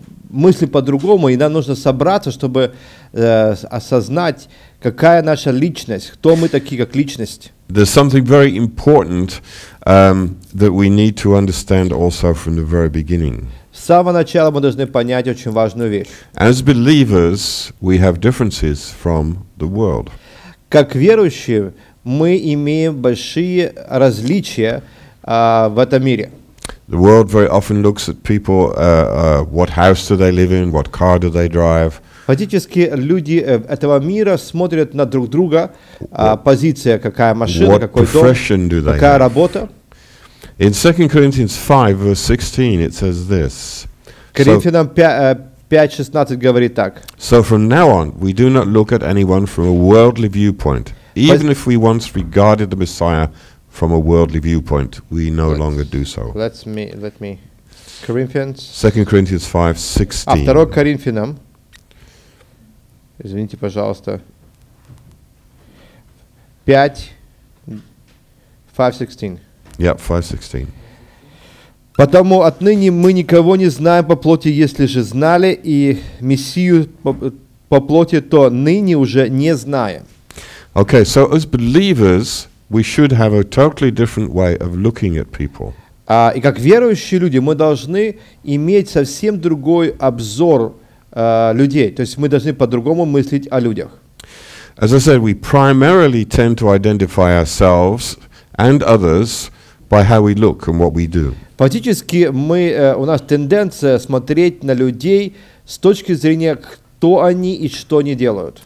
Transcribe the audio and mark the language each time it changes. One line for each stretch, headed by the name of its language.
Russian: Мысли по-другому, и нам нужно собраться, чтобы осознать, какая наша личность, кто мы такие как личность.
English: There's something very important that we need to understand also from the very beginning.
Russian: С самого начала мы должны понять очень важную вещь.
English: As believers, we have differences from the world.
Russian: Как верующие, мы имеем большие различия в этом мире.
English: The world very often looks at people, what house do they live in, what car do they drive.
Russian: Фактически люди этого мира смотрят на друг друга, позиция, какая машина, какой дом, какая работа.
English: In 2 Corinthians 5, verse 16, it says this.
Russian: Коринфянам 5:16 говорит так.
English: So from now on, we do not look at anyone from a worldly viewpoint, even if we once regarded the Messiah from a worldly viewpoint, we no longer do so. Let me. Corinthians. 2 Corinthians 5:16.
Russian: А 2 Коринфянам. Извините, пожалуйста. 5:16.
English: Yep, 5:16.
Russian: Потому отныне мы никого не знаем по плоти, если же знали и Мессию по плоти, то ныне уже не знаем.
English: Okay, so as believers, we should have a totally different way of looking at people.
Russian: И как верующие люди, мы должны иметь совсем другой обзор людей. То есть мы должны по-другому мыслить о людях.
English: As I said, we primarily tend to identify ourselves and others by how we look and what we do.
Russian: Фактически мы у нас тенденция смотреть на людей с точки зрения кто они и что они делают.